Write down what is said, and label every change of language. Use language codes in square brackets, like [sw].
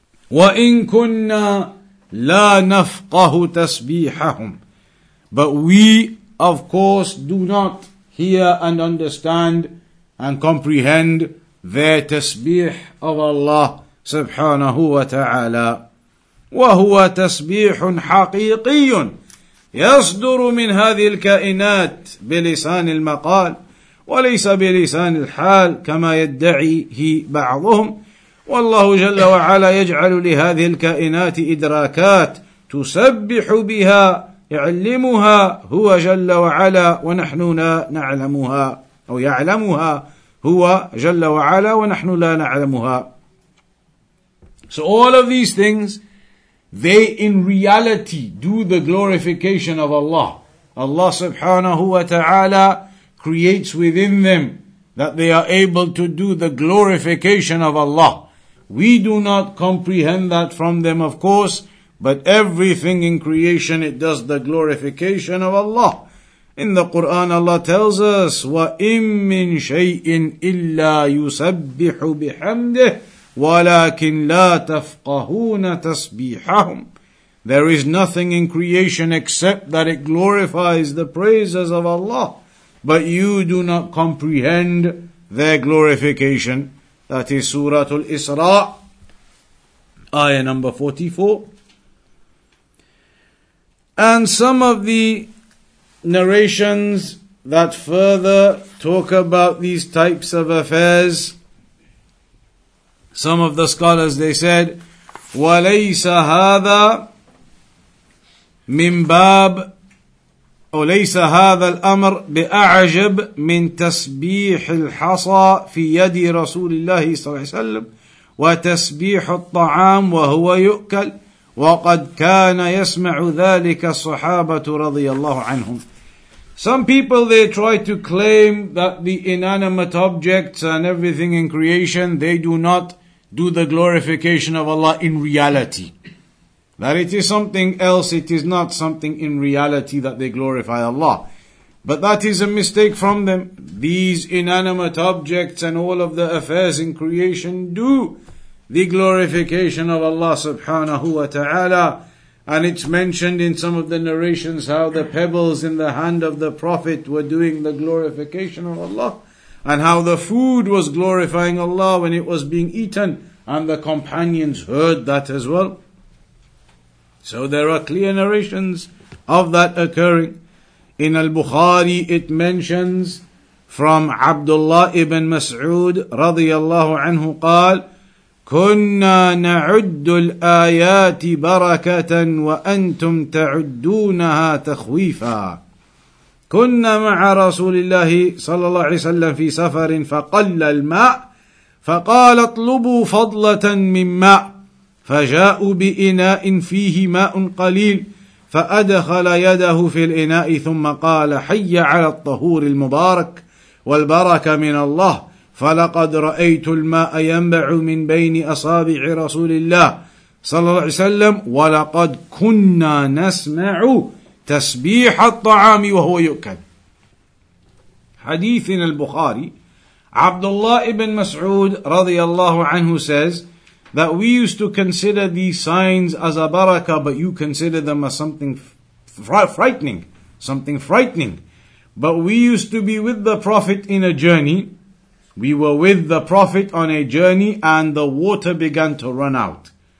[ar] وَإِن كُنَّا لَا نَفْقَهُ تَسْبِيحَهُمْ. [en] But we, of course, do not hear and understand and comprehend their tasbih of Allah subhanahu wa ta'ala. [ar] وَهُوَ تَسْبِيحٌ حَقِيقِيٌ يصدر من هذه الكائنات بلسان المقال وليس بلسان الحال كما يدعيه بعضهم والله جل وعلا يجعل لهذه الكائنات إدراكات تسبح بها يعلمها هو جل وعلا ونحن لا نعلمها أو يعلمها هو جل وعلا ونحن لا نعلمها. [en] So all of these things, they in reality do the glorification of Allah. Allah subhanahu wa ta'ala creates within them that they are able to do the glorification of Allah. We do not comprehend that from them, of course, but everything in creation, it does the glorification of Allah. In the Quran, Allah tells us, [ar] وَإِن مِّن شَيْءٍ إِلَّا يُسَبِّحُ بِحَمْدِهِ وَلَكِنْ لَا تَفْقَهُونَ تَسْبِيحَهُمْ. [en] There is nothing in creation except that it glorifies the praises of Allah, but you do not comprehend their glorification. That is Surah Al-Isra, ayah number 44. And some of the narrations that further talk about these types of affairs, some of the scholars, they said, [ar] وَلَيْسَ هَذَا مِنْ بَابٍ وَلَيْسَ هَذَا الْأَمْرُ بِأَعْجَبْ مِنْ تَسْبِيحِ الْحَصَى فِي يَدِ رَسُولِ اللَّهِ صَلَّى اللَّهُ عَلَيْهِ وَسَلَّمَ وَتَسْبِيحُ الطَّعَامِ وَهُوَ يُؤْكَلُ وَقَدْ كَانَ يَسْمَعُ ذَلِكَ الصَّحَابَةُ رَضِيَ اللَّهُ عَنْهُمْ. [en] Some people, they try to claim that the inanimate objects and everything in creation, they do not do the glorification of Allah in reality. That it is something else, it is not something in reality that they glorify Allah. But that is a mistake from them. These inanimate objects and all of the affairs in creation do the glorification of Allah subhanahu wa ta'ala. And it's mentioned in some of the narrations how the pebbles in the hand of the Prophet were doing the glorification of Allah, and how the food was glorifying Allah when it was being eaten, and the companions heard that as well. So there are clear narrations of that occurring. In Al-Bukhari it mentions from Abdullah ibn Mas'ud radiyallahu anhu qal, [ar] كُنَّا نَعُدُّ الْآيَاتِ بَرَكَةً وَأَنْتُمْ تَعُدُّونَهَا تَخْوِيفًا كُنَّا مَعَ رَسُولِ اللَّهِ صلى الله عليه وسلم فِي سَفَرٍ فَقَلَّ الْمَاءِ فَقَالَ اطْلُبُوا فَضْلَةً مِنْ مَاءِ فَجَاءُوا بِإِنَاءٍ فِيهِ مَاءٌ قَلِيلٌ فَأَدْخَلَ يَدَهُ فِي الْإِنَاءِ ثُمَّ قَالَ حَيَّ عَلَى الطَّهُورِ الْمُبَارَكِ وَالْبَرَكَةَ مِنَ اللَّهِ فَلَقَدْ رَأَيْتُ الْمَاءَ يَنْبَعُ مِنْ بَيْنِ أَصَابِعِ رَسُولِ اللَّهِ صَلَّى اللَّهُ عَلَيْهِ وَسَلَّمَ وَلَقَدْ كُنَّا نَسْمَعُ تَسْبِيحَ الطَّعَامِ وَهُوَ يُؤْكَلُ. [en] Hadith in Al-Bukhari, Abdullah ibn Mas'ud radiyallahu anhu says that we used to consider these signs as a barakah, but you consider them as something frightening, something frightening. But we used to be with the Prophet in a journey. We were with the Prophet on a journey and the water began to run out.